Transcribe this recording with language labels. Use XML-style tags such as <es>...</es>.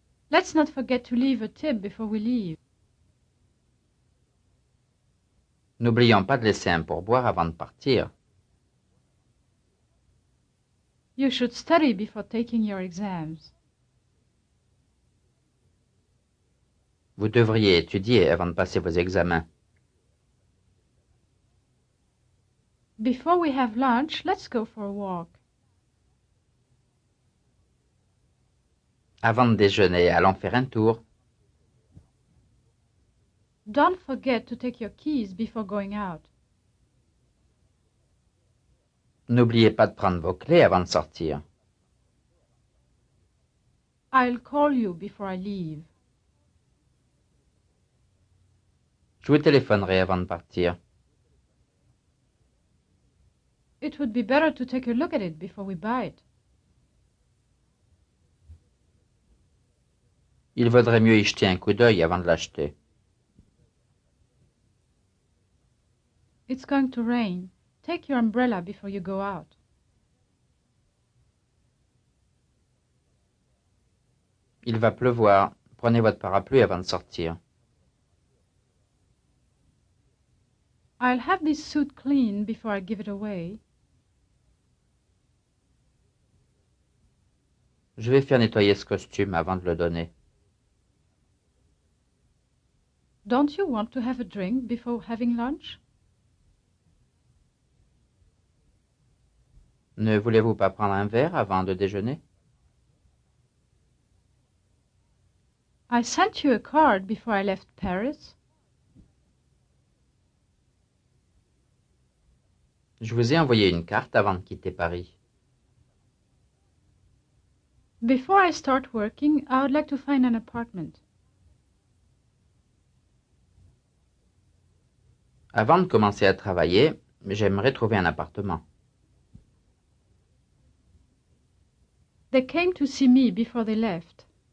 <en>Let's not forget to leave a tip before we leave.</en> <fr>N'oublions pas de laisser un pourboire avant de partir.</fr> <en>You should study before taking your exams.</en> <fr>Vous devriez étudier avant de passer vos examens.</fr> <en>Before we have lunch, let's go for a walk.</en> <fr>Avant de déjeuner, allons faire un tour.</fr> <en>Don't forget to take your keys before going out.</en> <fr>N'oubliez pas de prendre vos clés avant de sortir.</fr> <en>I'll call you before I leave.</en> <fr>Je vous téléphonerai avant de partir.</fr> <en>It would be better to take a look at it before we buy it.</en> <fr>Il vaudrait mieux y jeter un coup d'œil avant de l'acheter.</fr> <en>It's going to rain. Take your umbrella before you go out.</en> <fr>Il va pleuvoir. Prenez votre parapluie avant de sortir.</fr> <en>I'll have this suit clean before I give it away.</en> <fr>Je vais faire nettoyer ce costume avant de le donner.</fr> <en>Don't you want to have a drink before having lunch?</en> <fr>Ne voulez-vous pas prendre un verre avant de déjeuner?</fr> <en>I sent you a card before I left Paris.</en> <fr>Je vous ai envoyé une carte avant de quitter Paris.</fr> <en>Before I start working, I would like to find an apartment.</en> <fr>Avant de commencer à travailler, j'aimerais trouver un appartement.</fr> <en>They came to see me before they left.</en>